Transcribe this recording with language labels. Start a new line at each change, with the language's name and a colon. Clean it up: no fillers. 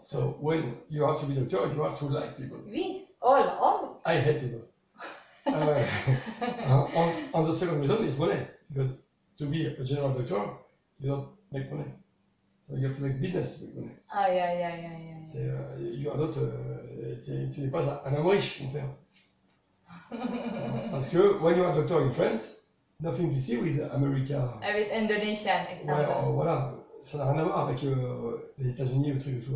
English: So, when you have to be doctor, you have to like people. Oui. All. I hate people. on the second reason is money, because to be a general doctor, you don't make money, so you have to make business to make money.
French: Tu n'es pas un homme riche, mon père. Parce que
English: when you are a doctor in France, nothing to see with America. With Indonesia, example.
French: Ouais, voilà. Ça n'a rien à voir avec les États-Unis, le truc et tout.